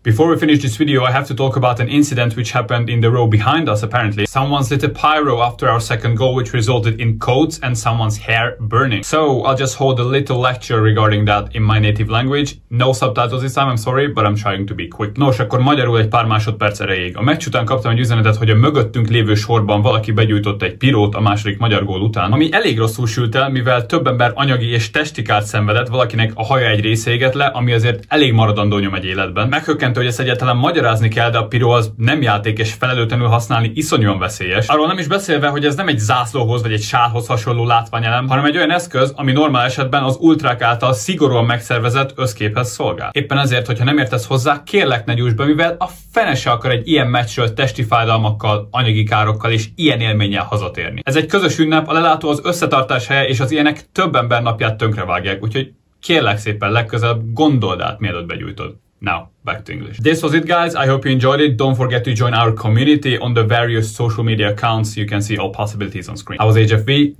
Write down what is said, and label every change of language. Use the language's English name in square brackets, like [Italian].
[English] Before we finish this video, I have to talk about an incident which happened in the row behind us, apparently. Someone lit a pyro after our second goal, which resulted in coats and someone's hair burning. So, I'll just hold a little lecture regarding that in my native language. No subtitles this time, I'm sorry, but I'm trying to be quick. [Hungarian] Nos, akkor magyarul egy pár másodperc erejéig. A meccs után kaptam egy üzenetet, hogy a mögöttünk lévő sorban valaki begyújtott egy pirót a második magyar gól után, ami elég rosszul sült el, mivel több ember anyagi és testi kárt szenvedett, valakinek a haja egy része égett le, ami azért elég maradandó nyom egy életben. Meghökkentő, hogy ezt egyáltalán magyarázni kell, de a piró az nem játék, és felelőtlenül használni iszonyúan veszélyes. Arról nem is beszélve, hogy ez nem egy zászlóhoz vagy egy sálhoz hasonló látványelem, hanem egy olyan eszköz, ami normál esetben az ultrák által szigorúan megszervezett összképhez szolgál. Éppen ezért, hogyha nem értesz hozzá, kérlek ne gyújtsd be, mivel a fene se akar egy ilyen meccsről testi fájdalmakkal, anyagi károkkal és ilyen élménnyel hazatérni. Ez egy közös ünnep, a lelátó az összetartás helye, és az ilyenek több ember napját tönkrevágják, úgyhogy kérlek szépen, legközelebb gondold át, mielőtt begyújtod. [English] Now, back to English. This was it, guys. I hope you enjoyed it. Don't forget to join our community on the various social media accounts. You can see all possibilities on screen. I was HFV.